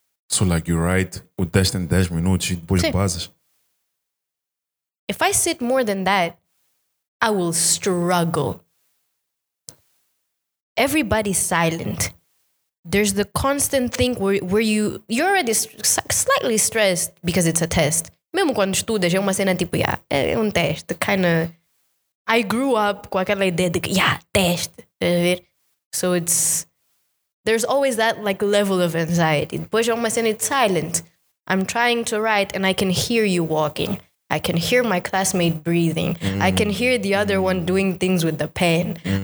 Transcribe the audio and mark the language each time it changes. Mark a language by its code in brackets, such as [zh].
[en] So like you write [pt] o teste em 10 minutos e depois passas. [en] If I sit more than that, I will struggle. Everybody's silent. There's the constant thing where you're already slightly stressed because it's a test. [pt] Mesmo quando estudas, é uma cena tipo, yeah, é um teste, [en] kind of. I grew up [pt] com aquela ideia de que, yeah, teste. [en] So it's, there's always that like level of anxiety. [pt] Depois é uma cena, [en] it's silent. I'm trying to write and I can hear you walking. I can hear my classmate breathing. Mm. I can hear the other one doing things with the pen. Mm.